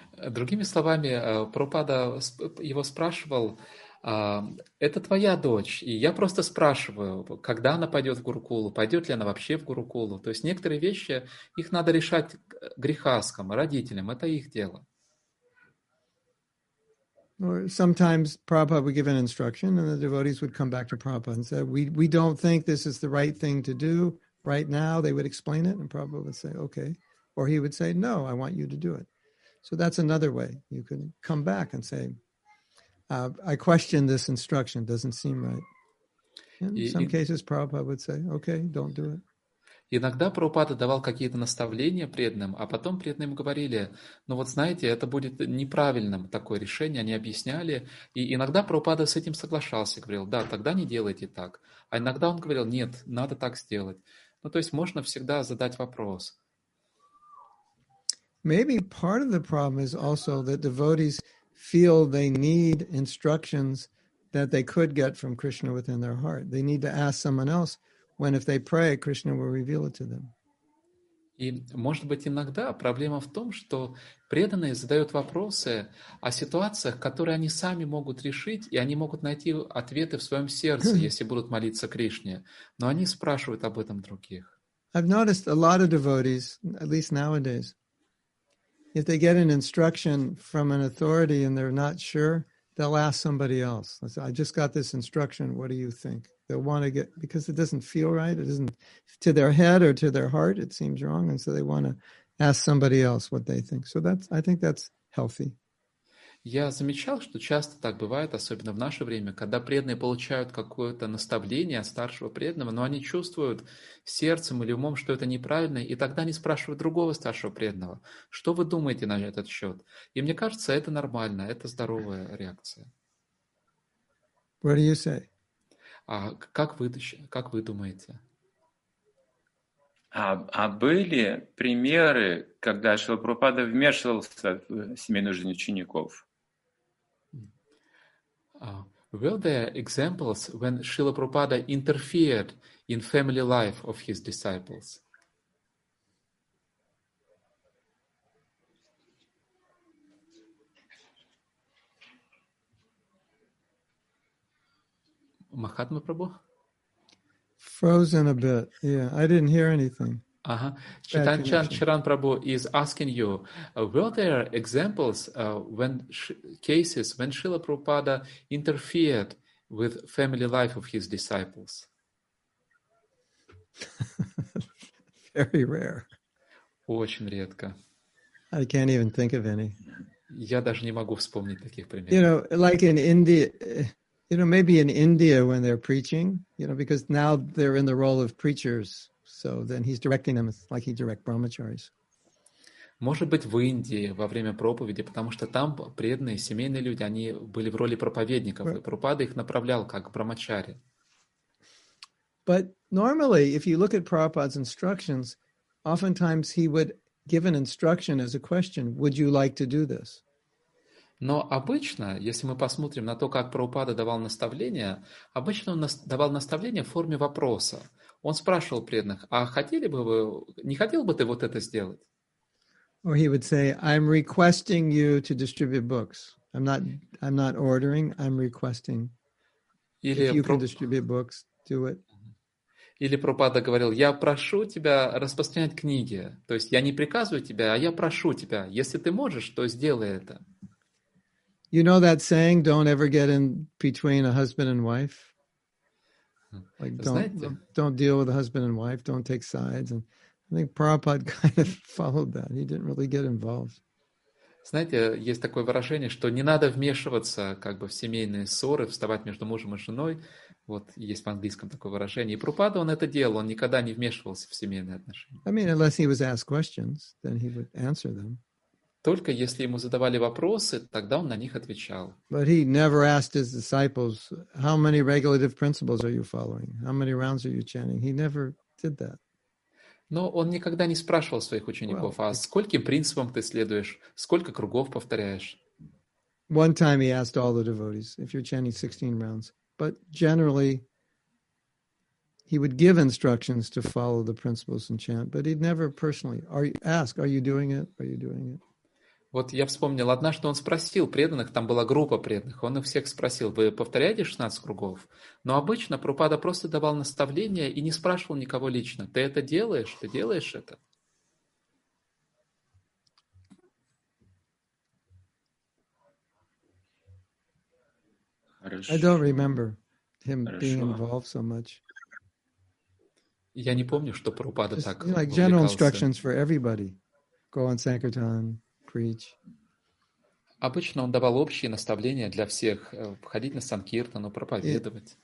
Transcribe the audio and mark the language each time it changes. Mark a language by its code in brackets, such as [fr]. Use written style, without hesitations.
[ru] Другими словами, Прабхупада его спрашивал, это твоя дочь, и я просто спрашиваю, когда она пойдет в Гурукулу, пойдет ли она вообще в Гурукулу. То есть некоторые вещи, их надо решать грихасхам, родителям, это их дело. [en] Or sometimes Prabhupada would give an instruction and the devotees would come back to Prabhupada and say, we don't think this is the right thing to do. Right now, they would explain it, and Prabhupada would say, okay. Or he would say, no, I want you to do it. So that's another way. You could come back and say, I question this instruction. Doesn't seem right. And in some cases, Prabhupada would say, okay, don't do it. [ru] Иногда Прабхупада давал какие-то наставления преданным, а потом преданные ему говорили, ну вот знаете, это будет неправильным такое решение, они объясняли. И иногда Прабхупада с этим соглашался, говорил, да, тогда не делайте так. А иногда он говорил, нет, надо так сделать. Ну то есть можно всегда задать вопрос. [en] Maybe part of the problem is also that devotees feel they need instructions that they could get from Krishna within their heart. They need to ask someone else. When if they pray, Krishna will reveal it to them. [ru] И может быть иногда проблема в том, что преданные задают вопросы о ситуациях, которые они сами могут решить, и они могут найти ответы в своем сердце, если будут молиться Кришне. Но они спрашивают об этом других. [en] I've noticed a lot of devotees, at least nowadays, If they get an instruction from an authority and they're not sure, they'll ask somebody else. They'll say, I just got this instruction. What do you think? They'll want to get, because it doesn't feel right. It isn't to their head or to their heart. It seems wrong. And so they want to ask somebody else what they think. So that's, I think that's healthy. [ru] Я замечал, что часто так бывает, особенно в наше время, когда преданные получают какое-то наставление от старшего преданного, но они чувствуют сердцем или умом, что это неправильно, и тогда они спрашивают другого старшего преданного, что вы думаете на этот счет? И мне кажется, это нормально, это здоровая реакция. [en] What do you say? [ru] А как вы думаете? А были примеры, когда Шрила Прабхупада вмешивался в семейную жизнь учеников? [en] Were there examples when Srila Prabhupada interfered in family life of his disciples? Mahatma Prabhu? Frozen a bit, yeah. I didn't hear anything. Chitanchan Chiran Prabhu is asking you, were there examples when Srila Prabhupada interfered with family life of his disciples? Very rare. [ru] Очень редко. [en] I can't even think of any. [ru] Я даже не могу вспомнить таких примеров. [en] You know, like in India, you know, maybe in India when they're preaching, you know, because now they're in the role of preachers. So then he's directing them like he directs brahmacharis. [ru] Может быть, в Индии во время проповеди, потому что там преданные семейные люди, они были в роли проповедников, и Прабхупада их направлял как брахмачари. [en] But normally, if you look at Prabhupada's instructions, oftentimes he would give an instruction as a question, would you like to do this? [ru] Но обычно, если мы посмотрим на то, как Прабхупада давал наставления, обычно он давал наставления в форме вопроса. Он спрашивал преданных, а хотели бы вы, не хотел бы ты вот это сделать? [en] Or he would say, I'm requesting you to distribute books. I'm not ordering, I'm requesting. [ru] Или [en] if you can distribute books, do it. [ru] Или Прабхупада говорил, я прошу тебя распространять книги. То есть я не приказываю тебя, а я прошу тебя. Если ты можешь, то сделай это. [en] You know that saying, don't ever get in between a husband and wife? Like, don't deal with a husband and wife, don't take sides. And I think Prabhupada kind of followed that. He didn't really get involved. [ru] Знаете, есть такое выражение, что не надо вмешиваться как бы в семейные ссоры, вставать между мужем и женой. Вот есть в английском такое выражение. И Прабхупада, он это делал, он никогда не вмешивался в семейные отношения. [en] I mean, unless he was asked questions, then he would answer them. [ru] Только если ему задавали вопросы, тогда он на них отвечал. [en] But he never asked his disciples, how many regulative principles are you following? How many rounds are you chanting? He never did that. [ru] Но он никогда не спрашивал своих учеников, well, а скольким принципам ты следуешь? Сколько кругов повторяешь? [en] One time he asked all the devotees, if you're chanting 16 rounds. But generally, he would give instructions to follow the principles and chant, but he'd never personally ask, are you doing it? Are you doing it? [ru] Вот я вспомнил однажды, он спросил преданных, там была группа преданных, он их всех спросил, вы повторяете 16 кругов? Но обычно Прабхупада просто давал наставления и не спрашивал никого лично, ты это делаешь? Ты делаешь это? Хорошо. [en] I don't remember him being involved so much. [ru] Я не помню, что Прабхупада так увлекался. [en] Like general instructions for everybody. Go on sankirtan. Preach. [ru] Обычно он давал общие наставления для всех входить на санкиртану, проповедовать.